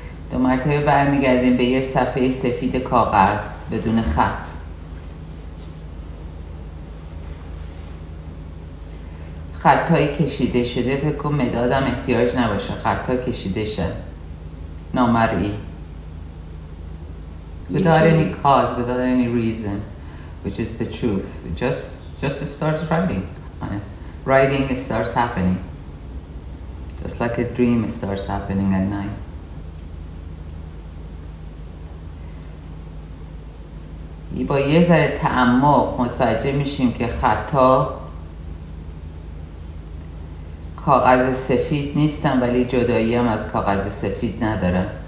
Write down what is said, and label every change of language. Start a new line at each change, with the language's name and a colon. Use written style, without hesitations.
Persian: دو مرتبه برمیگردیم به یه صفحه سفید کاغذ بدون خط. خطای کشیده شده فکر کنم مدادم احتیاج نباشه، خطا کشیده شن نامرئی.
English: Without any cause, without any reason, which is the truth, just starts writing. Writing starts happening, just like a dream starts happening at night.
Persian: با یه ذره تعمق متوجه میشیم که خطا کاغذ سفید نیستم، ولی جدایی هم از کاغذ سفید ندارم.